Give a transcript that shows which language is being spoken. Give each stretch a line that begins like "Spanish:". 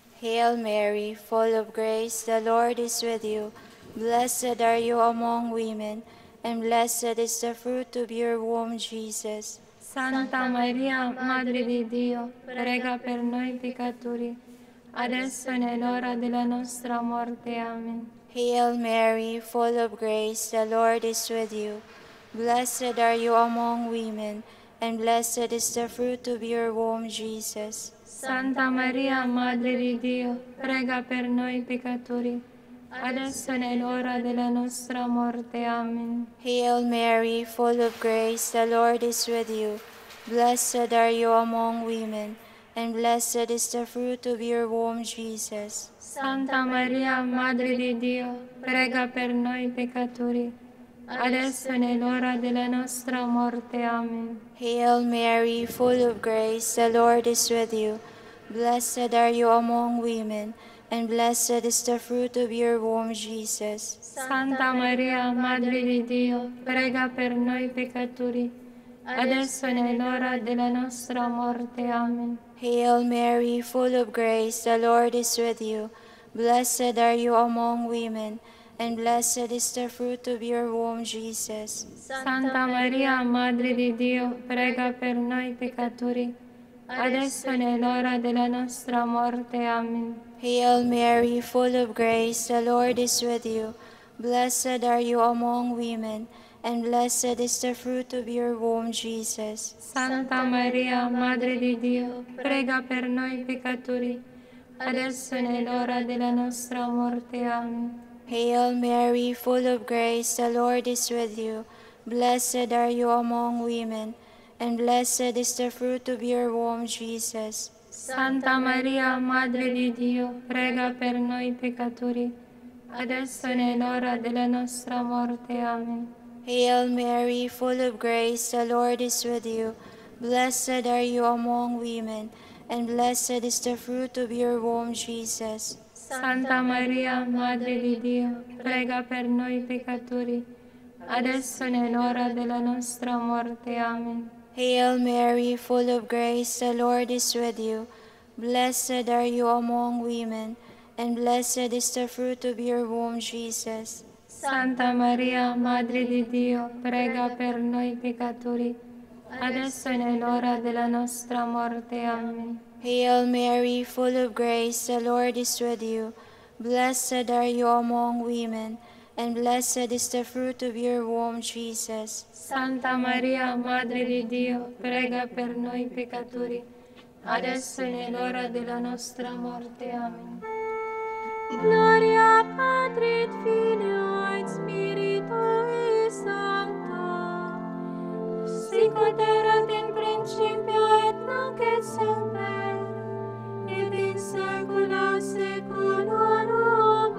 English: Hail Mary, full of grace, the Lord is with you. Blessed are you among women, and blessed is the fruit of your womb, Jesus.
Italian: Santa Maria, Madre di Dio, prega per noi peccatori, adesso e nell'ora della nostra morte. Amen.
English: Hail Mary, full of grace, the Lord is with you. Blessed are you among women, and blessed is the fruit of your womb, Jesus.
Italian: Santa Maria, Madre di Dio, prega per noi peccatori, adesso e nell'ora della nostra morte. Amen.
English: Hail Mary, full of grace, the Lord is with you. Blessed are you among women, and blessed is the fruit of your womb, Jesus.
Italian: Santa Maria, Madre di Dio, prega per noi peccatori, adesso e nell'ora della nostra morte. Amen.
English: Hail Mary, full of grace, the Lord is with you. Blessed are you among women, and blessed is the fruit of your womb, Jesus.
Italian: Santa Maria, Madre di Dio, prega per noi peccatori, adesso e nell'ora della nostra morte. Amen.
English: Hail Mary, full of grace, the Lord is with you. Blessed are you among women, and blessed is the fruit of your womb, Jesus.
Italian: Santa Maria, Madre di Dio, prega per noi peccatori, adesso e nell'ora della nostra morte. Amen.
English: Hail Mary, full of grace, the Lord is with you. Blessed are you among women, and blessed is the fruit of your womb, Jesus.
Italian: Santa Maria, Madre di Dio, prega per noi peccatori, adesso e nell'ora della nostra morte. Amen.
English: Hail Mary, full of grace, the Lord is with you. Blessed are you among women, and blessed is the fruit of your womb, Jesus.
Italian: Santa Maria, Madre di Dio, prega per noi peccatori, adesso e nell'ora della nostra morte. Amen.
English: Hail Mary, full of grace, the Lord is with you. Blessed are you among women, and blessed is the fruit of your womb, Jesus.
Italian: Santa Maria, Madre di Dio, prega per noi peccatori, adesso e nell'ora della nostra morte. Amen.
English: Hail Mary, full of grace, the Lord is with you. Blessed are you among women, and blessed is the fruit of your womb, Jesus.
Italian: Santa Maria, Madre di Dio, prega per noi peccatori, adesso e nell'ora della nostra morte. Amen.
English: Hail Mary, full of grace, the Lord is with you. Blessed are you among women, and blessed is the fruit of your womb, Jesus.
Italian: Santa Maria, Madre di Dio, prega per noi peccatori, adesso e nell'ora della nostra morte. Amen.
Latin: Gloria Patri et Filio et Spiritui Sancto, sicut erat in principio et nunc et semper, et in saecula saeculorum.